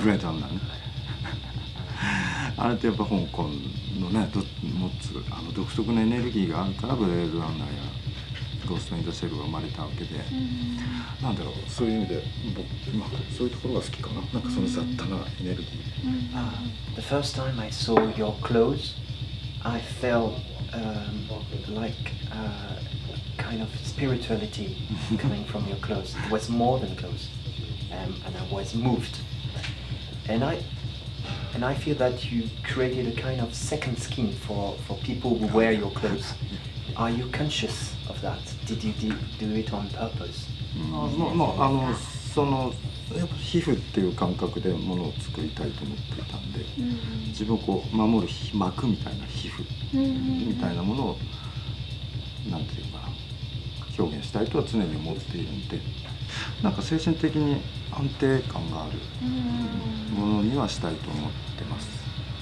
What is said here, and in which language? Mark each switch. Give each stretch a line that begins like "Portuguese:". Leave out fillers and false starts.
Japanese: ブレードランナーね、あれってやっぱ香港のね、持つあの独特のエネルギーがあるからブレードランナーやゴーストインザシェルが生まれたわけで、なんだろう、そういう意味で僕、まあ、そういうところが好きかな、なんかその雑多なエネルギー、
English: The first time I saw your clothes I felt、like、kind of spirituality coming from your clothes. It was more than clothes、and I was moved and I feel that you created a kind of second skin for people who wear your clothes. Are you conscious of that? Did you do it on purpose?
Japanese: まあ、あの、その、やっぱ皮膚っていう感覚で物を作りたいと思っていたんで、自分をこう守る膜みたいな皮膚みたいなものを、なんていうかな、表現したいとは常に思っているんで、なんか精神的に安定感があるものにはしたいと思ってます。